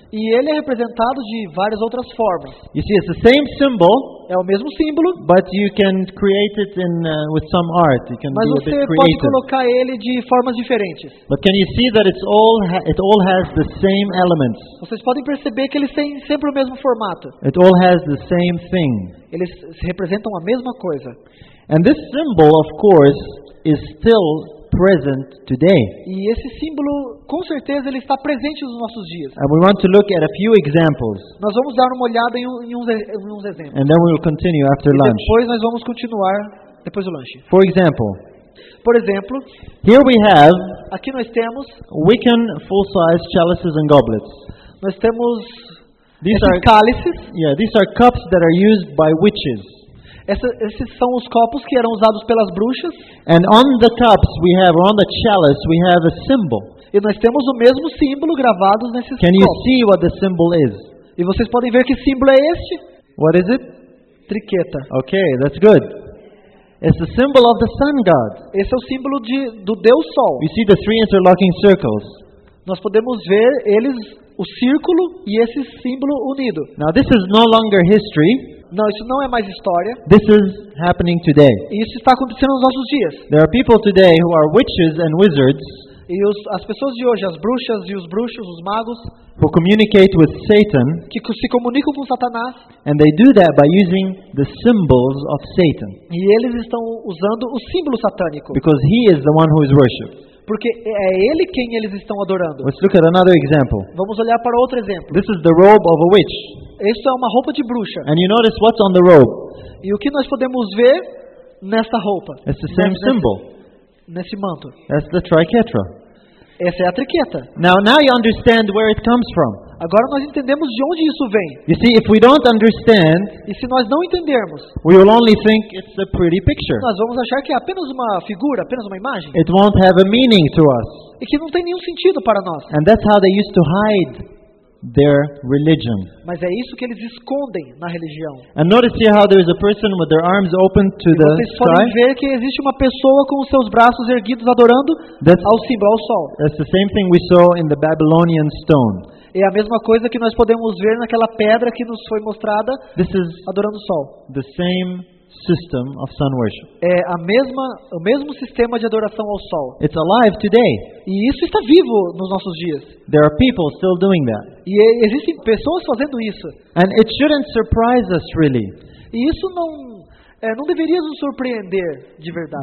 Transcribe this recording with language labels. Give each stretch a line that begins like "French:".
Portuguese: E ele é representado de várias outras formas.
English: You see, it's the same symbol.
Portuguese: É o mesmo símbolo,
English: but you can create it in with some art. You can do a bit creative.
Portuguese: Mas você pode colocar ele de formas diferentes.
English: But can you see that it all has the same elements?
Portuguese: Vocês podem perceber que eles têm sempre o mesmo formato.
English: It all has the same thing.
Portuguese: Eles representam a mesma coisa.
English: And this symbol, of course, is still present today.
Portuguese: E esse símbolo, com certeza, ele está presente nos nossos dias.
English: And we want to look at a few examples.
Portuguese: Nós vamos dar uma olhada em uns exemplos.
English: And then we will continue after lunch.
Portuguese: Depois nós vamos continuar depois do lanche.
English: For example.
Portuguese: Por exemplo.
English: Here we have.
Portuguese: Aqui nós temos.
English: Wiccan full-size chalices and goblets.
Portuguese: Nós temos.
English: These are
Portuguese: cálices.
English: Yeah, these are cups that are used by witches.
Portuguese: Esses são os copos que eram usados pelas bruxas.
English: And on the cups we have, or on the chalice we have a symbol.
Portuguese: E nós temos o mesmo símbolo gravado nesses
English: Can Can you see what the symbol is?
Portuguese: E vocês podem ver que símbolo é este?
English: What is it?
Portuguese: Triqueta.
English: Okay, that's good. It's the symbol of the sun god.
Portuguese: Esse é o símbolo do Deus Sol.
English: You see the three interlocking circles.
Portuguese: Nós podemos ver eles, o círculo e esse símbolo unido.
English: Now this is no longer history.
Portuguese: Não, isso não é mais história.
English: This is happening today.
Portuguese: Isso está acontecendo nos nossos dias.
English: There are people today who are witches and wizards.
Portuguese: E as pessoas de hoje, as bruxas e os bruxos, os magos,
English: who communicate with Satan,
Portuguese: que se comunicam com Satanás,
English: and they do that by using the symbols of Satan.
Portuguese: E eles estão usando o símbolo satânico.
English: Because he is the one who is worshipped.
Portuguese: Porque é ele quem eles estão adorando.
English: Let's look at another example.
Portuguese: Vamos olhar para outro exemplo.
English: This is the robe of a witch.
Portuguese: Isso é uma roupa de bruxa.
English: And you notice what's on the robe.
Portuguese: E o que nós podemos ver nessa roupa?
English: It's the same symbol.
Portuguese: Nesse manto.
English: That's the triquetra.
Portuguese: Essa é a triqueta.
English: Now you understand where it comes from.
Portuguese: Agora nós entendemos de onde isso vem.
English: You see, if we don't understand,
Portuguese: e se nós não entendermos,
English: we will only think it's a pretty picture.
Portuguese: Nós vamos achar que é apenas uma figura, apenas uma imagem.
English: It won't have a meaning to us.
Portuguese: E que não tem nenhum sentido para nós.
English: And that's how they used to hide their religion.
Portuguese: Mas é isso que eles escondem na religião.
English: And notice here how there is a person with their arms open to the sky.
Portuguese: Vocês podem ver que existe uma pessoa com os seus braços erguidos adorando ao símbolo, ao sol.
English: That's the same thing we saw in the Babylonian stone.
Portuguese: É a mesma coisa que nós podemos ver naquela pedra que nos foi mostrada adorando o sol.
English: The same system of sun worship.
Portuguese: É a mesma, o mesmo sistema de adoração ao sol.
English: It's alive today.
Portuguese: E isso está vivo nos nossos dias.
English: There are people still doing that.
Portuguese: E existem pessoas fazendo isso.
English: And it shouldn't surprise us really.
Portuguese: E isso não, não deveria nos surpreender de verdade.